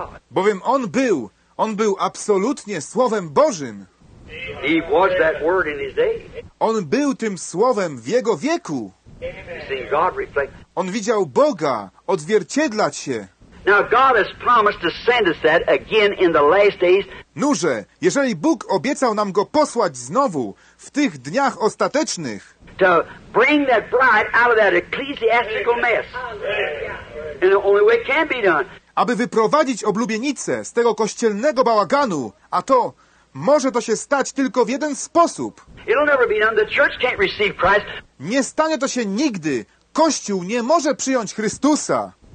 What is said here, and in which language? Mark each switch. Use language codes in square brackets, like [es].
[pl] Bowiem on był absolutnie Słowem Bożym. [en] He was that word in his day. [pl] On był tym Słowem w jego wieku. [en] God reflect. [pl] On widział Boga odzwierciedlać się. [en] Now God has promised to send us that again in the last days. [pl] Nuże, jeżeli Bóg obiecał nam go posłać znowu w tych dniach ostatecznych. [en] To bring that bride out of that ecclesiastical mess. And the only way it can be done. [pl] aby wyprowadzić oblubienicę z tego kościelnego bałaganu, a to może to się stać tylko w jeden sposób. [en] It'll never be done. The church can't receive Christ. [pl] Nie stanie to się nigdy. Kościół nie może przyjąć Chrystusa.